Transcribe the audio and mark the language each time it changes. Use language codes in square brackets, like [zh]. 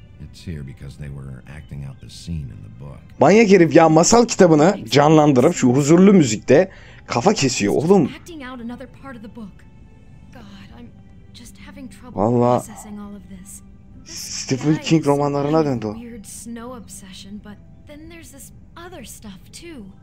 [en] It's here because they were acting out the scene in the book. [tr] Manyak herif ya, masal kitabını canlandırıp şu huzurlu müzikte kafa kesiyor oğlum. [en] Acting out another part of the book. God, I'm just having trouble processing all of this. [tr] Stephen King romanlarına döndü o. [en] Weird snow obsession, but then there's this other stuff too.